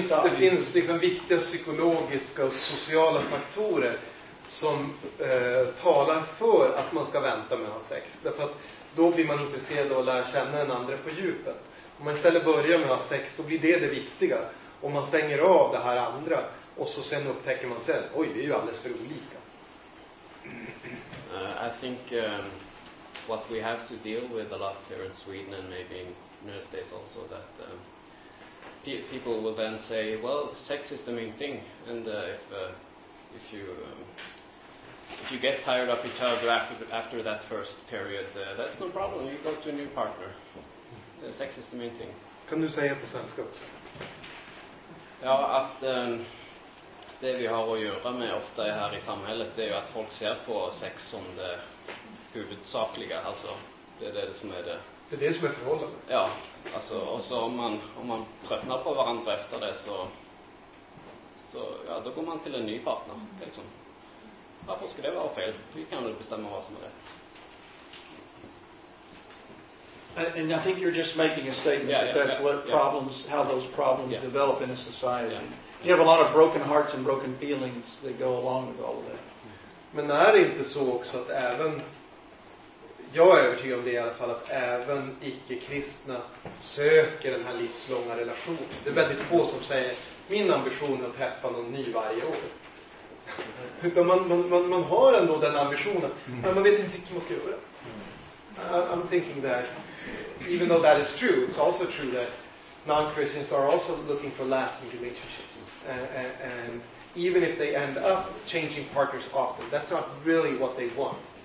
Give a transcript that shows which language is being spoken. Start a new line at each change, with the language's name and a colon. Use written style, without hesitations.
Swedish: det finns liksom viktiga psykologiska och sociala faktorer som talar för att man ska vänta med att ha sex. Därför att då blir man intresserad av att lära känna en andra på djupet. Om man istället börjar med att ha sex, då blir det viktiga. Och man stänger av det här andra. Och så sen upptäcker man sen, oj, vi är ju alldeles för olika.
English: I think what we have to deal with a lot here in Sweden, and maybe in United States also, that people will then say, well, sex is the main thing. And if you get tired of each other after that first period, that's no problem. You go to a new partner. Sex is the main thing.
Swedish: Kan du säga på svenska också? Ja, att det vi har att göra med ofta är här i samhället, det är ju att folk ser på sex som det huvudsakliga, alltså det är det som är det. Det är det som är förhållandet. Ja, alltså, och så om man tröttnar på varandra efter det, så ja, då går man till en ny partner, liksom. Varför ska det vara fel? Vi kan väl bestämma vad som är rätt.
English: And I think you're just making a statement that's how those problems develop in a society. Yeah. You have a lot of broken hearts and broken feelings that go along with all of that.
Swedish: Men är det inte så också att även, jag är övertygad om det i alla fall, att även icke-kristna söker den här livslånga relationen. Det är väldigt få som säger, min ambition är att träffa någon ny varje år. Utan man har ändå den ambitionen, men man vet inte riktigt vad man ska göra.
English: I'm thinking that, even though that is true, it's also true that non-Christians are also looking for lasting relationships. And even if they end up changing partners often, that's not really what they want.